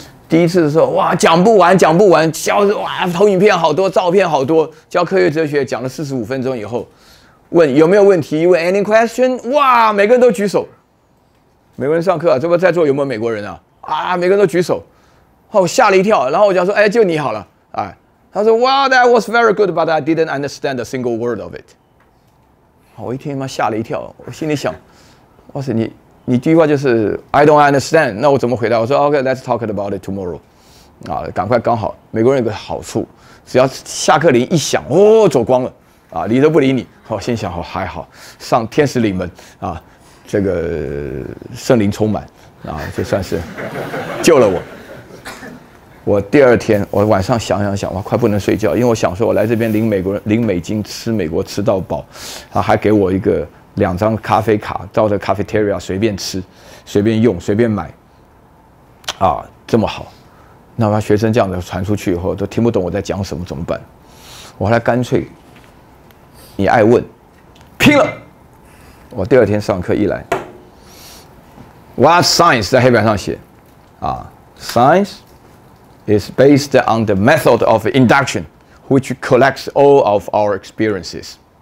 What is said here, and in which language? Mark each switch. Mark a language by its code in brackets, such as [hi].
[zh] 第一次的时候，哇，讲不完，教哇，投影片好多，照片好多，教科学哲学讲了45分钟以后。问有没有问题？问 [en] any question？ [zh] 哇，每个人都举手。美国人上课啊，这不在座有没有美国人啊？啊，每个人都举手。哦，吓了一跳。然后我讲说，哎，就你好了。哎，他说 [en] ，Wow, that was very good, but I didn't understand a single word of it。 [zh] 我一听，妈吓了一跳。我心里想，哇塞，你第一句话就是 [en] I don't understand， [zh] 那我怎么回答？我说 [en] OK, let's talk about it tomorrow。 [zh] 啊，赶快，刚好美国人有个好处，只要下课铃一响，哦，走光了。啊，理都不理你，我、哦、心想，好、哦、还好，上天使领门啊，这个圣灵充满啊，就算是救了我。我第二天，我晚上想，我快不能睡觉，因为我想说，我来这边领美国领美金，吃美国吃到饱，啊，还给我一个2张咖啡卡，到这 cafeteria 随便吃，随便用，随便买，啊，这么好，那么学生这样的传出去以后，都听不懂我在讲什么，怎么办？我后来干脆。你爱问，拼了！我第二天上课一来 [en] ，What science [zh] 在黑板上写啊 [en] ？Science is based on the method of induction, which collects all of our experiences。